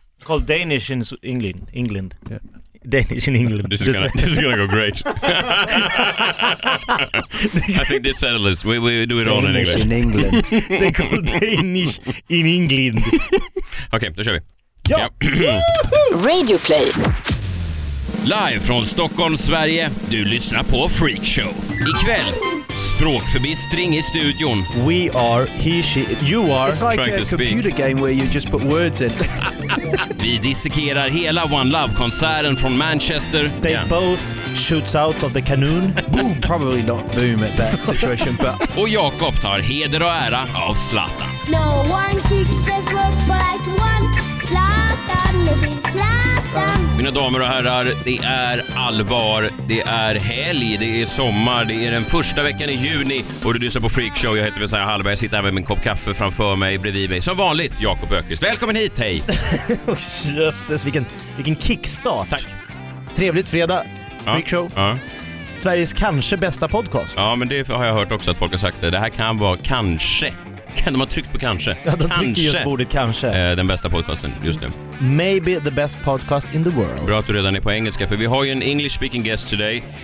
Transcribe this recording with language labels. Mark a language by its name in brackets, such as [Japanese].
[English] Called Danish in England. England. Yeah. Danish in England. This is gonna go great. I think this settles us. We do it Danish all in English. Danish in England. They call Danish in England. [Swedish] Okej, då kör vi. Ja. Radio Play. Live från Stockholm, Sverige. Du lyssnar på Freak Show. Ikväll. Språkförbistring i studion. [English] We are, he, she, you are. It's like a computer game where you just put words in. [Swedish] Vi dissekerar hela One Love-konserten från Manchester. [English] They both shoots out of the cannon. Boom, probably not boom at that situation, but... [Swedish] Och Jakob tar heder och ära av Zlatan. [English] No one kicks the football like one. Zlatan is in Zlatan. [Swedish] Mina damer och herrar, det är allvar. Det är helg, det är sommar. Det är den första veckan i juni. Och du lyssnar på Freak Show. Jag heter Messiah Hallberg. Jag sitter här med min kopp kaffe framför mig, bredvid mig. Som vanligt, Jakob Ökvist. Välkommen hit, hej! Jösses, vilken kickstart. Tack. Trevligt fredag, Freak Show. Ja. Sveriges kanske bästa podcast. Ja, men det har jag hört också att folk har sagt. Det här kan vara kanske. De har tryckt på kanske. Ja, de trycker just bordet kanske. Den bästa podcasten just nu. [English] Maybe the best podcast in the world. [Swedish] Bra att du redan är på engelska, för vi har ju en [English] English speaking guest today.